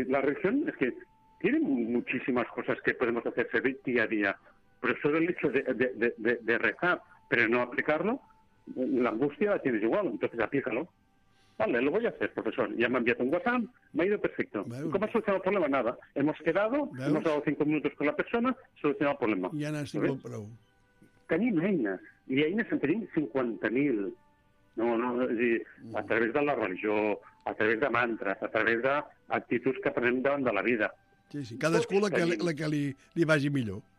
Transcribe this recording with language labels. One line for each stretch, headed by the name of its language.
Spanish: La religión es que tiene muchísimas cosas que podemos hacer día a día, pero solo el hecho de rezar, pero no aplicarlo, la angustia la tienes igual, entonces aplícalo. Vale, lo voy a hacer, profesor. Ya me ha enviado un WhatsApp, me ha ido perfecto.
Catalan: Veus.
Spanish: ¿Cómo ha solucionado el problema? Nada. Hemos quedado,
Catalan: veus,
Spanish: hemos dado 5 minutos con la persona, solucionado el problema. Ya no estoy con prou.
Catalan: Tenim eines, y eines en tenim 50.000. No, és a dir, a través de la religió, a través de mantras, a través d'actituds que aprenem davant de la vida. Sí, sí, cadascú la que li vagi millor.